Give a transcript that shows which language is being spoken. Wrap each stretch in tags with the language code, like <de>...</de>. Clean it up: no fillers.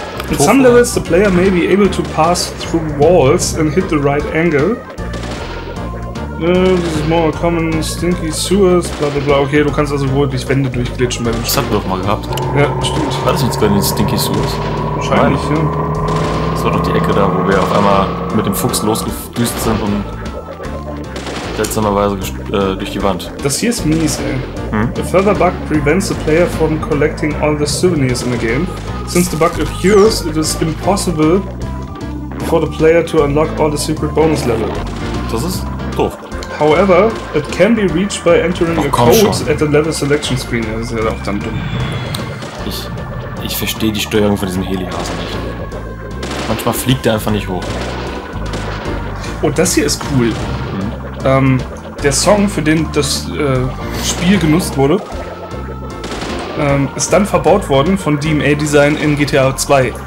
<en>In some levels, the player may be able to pass through walls and hit the right angle. This is more common stinky sewers, bla bla bla.</en> <de>Okay, du kannst also wohl durch Wände durchglitschen bei dem Spiel. Das hatten wir doch mal gehabt. Ja, stimmt. War das jetzt bei den stinky sewers? Wahrscheinlich, nein. Ja. Das war doch die Ecke da, wo wir auf einmal mit dem Fuchs losgedüst sind und seltsamerweise durch die Wand. Das hier ist mies, ey.</de> <en>A further bug prevents the player from collecting all the souvenirs in the game. Since the bug occurs, it is impossible for the player to unlock all the secret bonus level.</en> <de>Das ist doof.</de> <en>However, it can be reached by entering a code at the level selection screen.</en> <de>Das ist ja auch dann dumm. Ich verstehe die Steuerung von diesem Heli-Hasen nicht. Manchmal fliegt er einfach nicht hoch. Oh, das hier ist cool. Der Song, für den das Spiel genutzt wurde, ist dann verbaut worden von DMA Design in GTA 2.</de>